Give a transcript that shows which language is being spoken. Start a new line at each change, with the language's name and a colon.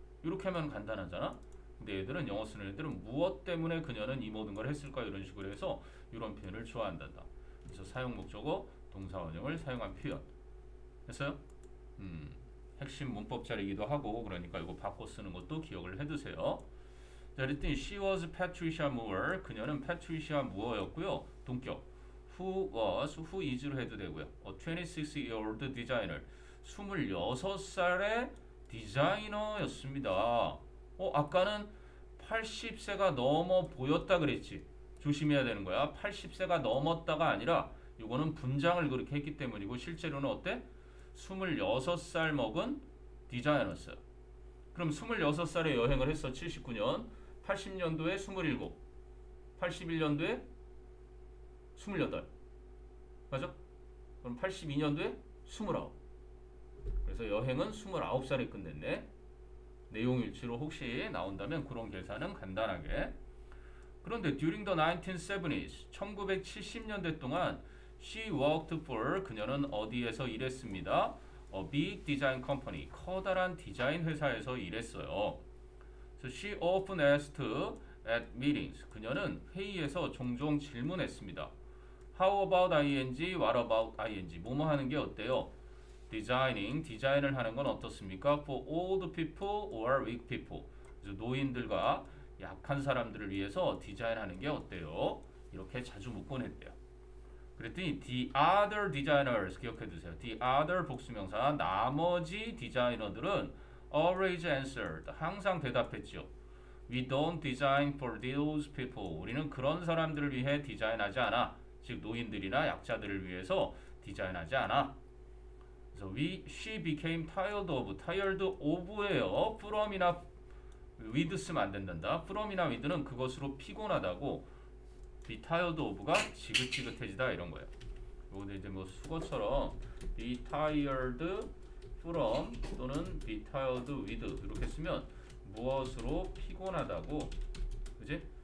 Korean: 이렇게 하면 간단하잖아. 근데 얘들은 영어 쓰는 애들은 무엇 때문에 그녀는 이 모든 걸 했을까요? 이런 식으로 해서 이런 표현을 좋아한단다. 그래서 사용 목적어 동사원형을 사용한 표현. 그래서 핵심 문법 자리이기도 하고 그러니까 이거 바꿔 쓰는 것도 기억을 해두세요. 자, 그랬더니
English: she was Patricia Moore.
Korean: 그녀는 Patricia Moore였고요. 동격.
English: Who was, who is로 해도 되고요. A 26-year-old designer.
Korean: 26살의 디자이너였습니다. 아까는 80세가 넘어 보였다 그랬지. 조심해야 되는 거야. 80세가 넘었다가 아니라 이거는 분장을 그렇게 했기 때문이고 실제로는 어때? 26살 먹은 디자이너였어요. 그럼 26살에 여행을 했어, 79년. 80년도에 27, 81년도에 28. 맞아? 그럼 82년도에 29. 그래서 여행은 29살에 끝냈네. 네? 내용 일치로 혹시 나온다면 그런 계산은 간단하게.
English: 그런데 during the 1970s,
Korean: 1970년대 동안
English: she worked for
Korean: 그녀는 어디에서 일했습니다?
English: A big design company,
Korean: 커다란 디자인 회사에서 일했어요.
English: So she often asked at meetings,
Korean: 그녀는 회의에서 종종 질문했습니다.
English: How about ing, what about ing,
Korean: 뭐뭐 하는 게 어때요? Designing, 디자인을 하는 건 어떻습니까?
English: For old people or weak people,
Korean: 노인들과 약한 사람들을 위해서 디자인하는 게 어때요? 이렇게 자주 묻곤 했대요. 그랬더니
English: the other designers,
Korean: 기억해 두세요. The other 복수명사, 나머지 디자이너들은
English: always answered,
Korean: 항상 대답했죠.
English: We don't design for those people,
Korean: 우리는 그런 사람들을 위해 디자인하지 않아. 즉 노인들이나 약자들을 위해서 디자인하지 않아.
English: So she became tired of, tired of예요.
Korean: From이나 with 쓰면 안 된단다. From이나 with는 그것으로 피곤하다고. Be tired of가 지긋지긋해지다 이런 거예요. 요거 이제 뭐 수거처럼 be tired from 또는 be tired with 이렇게 쓰면 무엇으로 피곤하다고, 그지?